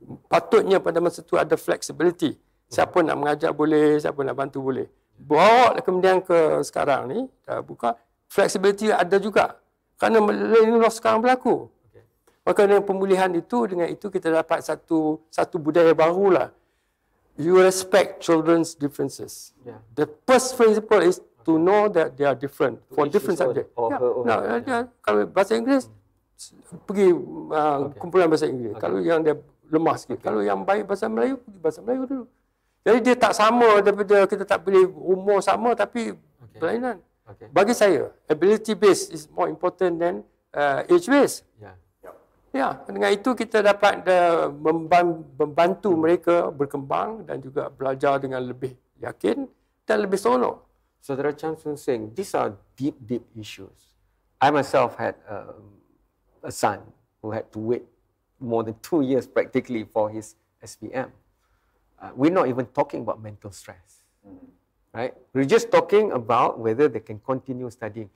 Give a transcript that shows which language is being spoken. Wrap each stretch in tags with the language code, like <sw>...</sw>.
<ms>Patutnya pada masa itu ada flexibility. Siapa nak mengajar boleh, siapa nak bantu boleh. Bawa kemudian ke sekarang ni, buka. Flexibility ada juga. Kerana learning loss sekarang berlaku. Maka dengan pemulihan itu, dengan itu kita dapat satu budaya baru lah.</ms> <en>You respect children's differences. Yeah. The first principle is to know that they are different for different subject.</en> <ms>Kalau bahasa Inggeris, pergi kumpulan bahasa Inggeris. Okay. Kalau yang dia lemah sikit. Okay. Kalau yang baik bahasa Melayu, pergi bahasa Melayu dulu. Jadi dia tak sama daripada kita tak boleh umur sama tapi berlainan. Okay. Bagi saya,</ms> <en>ability based is more important than age based. Yeah.</en> <ms>Ya, dengan itu kita dapat membantu mereka berkembang dan juga belajar dengan lebih yakin dan lebih seronok.</ms> <en>Saudara Chan Sun Seng, these are deep, deep issues. I myself had a son who had to wait more than 2 years practically for his SPM. We're not even talking about mental stress, right? We're just talking about whether they can continue studying.</en>